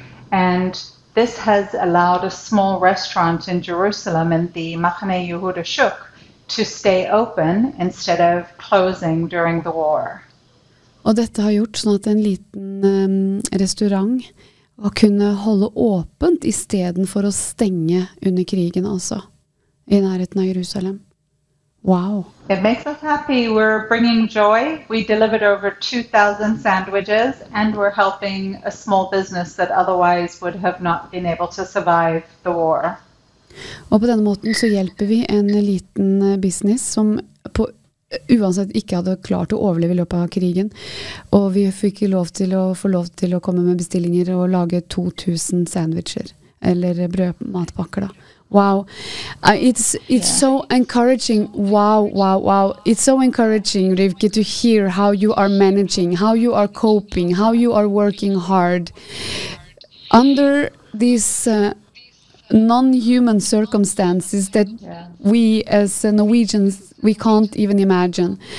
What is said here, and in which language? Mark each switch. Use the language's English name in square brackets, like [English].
[English] And this has allowed a small restaurant in Jerusalem in the Machane Yehuda Shuk to stay open instead of closing during the war. [Norwegian] Og dette har gjort sånn at en liten restaurant og kunne holde åpent I stedet for å stenge under krigen altså, I nærheten av Jerusalem. [English] Wow. It makes us happy. We're bringing joy. We delivered over 2,000 sandwiches and we're helping a small business that otherwise would have not been able to survive the war. [Norwegian] Og på denne måten så hjelper vi en liten business som på uansett ikke hadde klart å overleve I løpet av krigen, og vi fikk lov til å få lov til å komme med bestillinger og lage 2,000 sandwicher eller brødmatpakker da. [English] Wow. It's so encouraging. Wow. It's so encouraging, Rivki, to hear how you are managing, how you are coping, how you are working hard under these non-human circumstances that we as Norwegians, we can't even imagine.